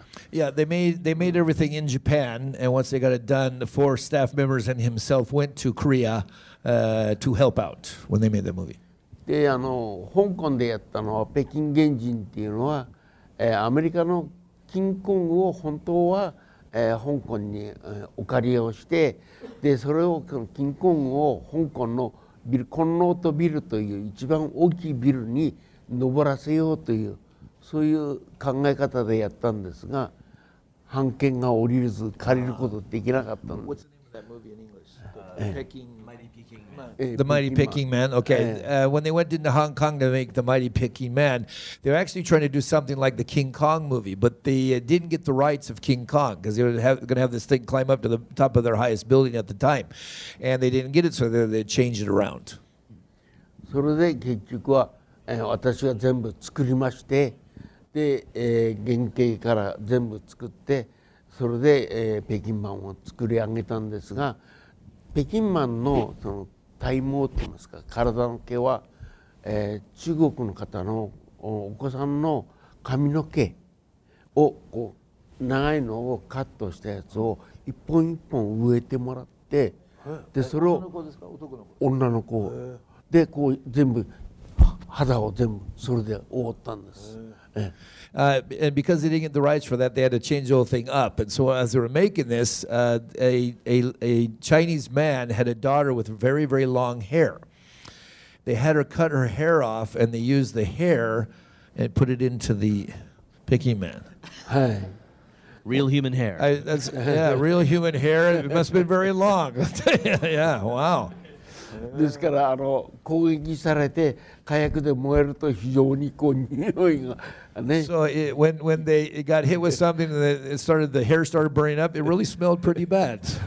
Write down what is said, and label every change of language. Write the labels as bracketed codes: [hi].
[en] Yeah, they made everything in Japan, and once they got it done, the four staff members and himself went to Korea to help out when they made the movie. [ja] で、あの、香港でやったのは北京原人っていうのは、アメリカのキングコングを本当は、香港に、お借りをして、で、それをキングコングを香港のビル、コンノートビルという一番大きいビルに登らせようという。そういう考え方でやったんですが、版権が降りれず借りることできなかったんです。 [en] What's the name of that movie in English? Peking, Mighty Peking Man. The Mighty Peking Man. Okay. When they went into Hong Kong to make The Mighty Peking Man, they were actually trying to do something like the King Kong movie, but they didn't get the rights of King Kong because they were going to have this thing climb up to the top of their highest building at the time, and they didn't get it, so they changed it around. [ja] それで結局は私が全部作りまして。で、原型から全部作ってそれで、北京マンを作り上げたんですが北京マンの、 その体毛といいますか体の毛は、中国の方のお子さんの髪の毛をこう長いのをカットしたやつを一本一本植えてもらってでそれを女の子でこう全部肌を全部それで覆ったんです。 [en] And because they didn't get the rights for that, they had to change the whole thing up. And so as they were making this, a Chinese man had a daughter with very, very long hair. They had her cut her hair off, and they used the hair and put it into the Peking Man. Real human hair. Real human hair. It must have been very long. Yeah, wow. [ja] ですからあの攻撃されて火薬で燃えると非常にこう匂いがね。 [en] So it, when they it got hit with something and it started the hair started burning up, it really smelled pretty bad.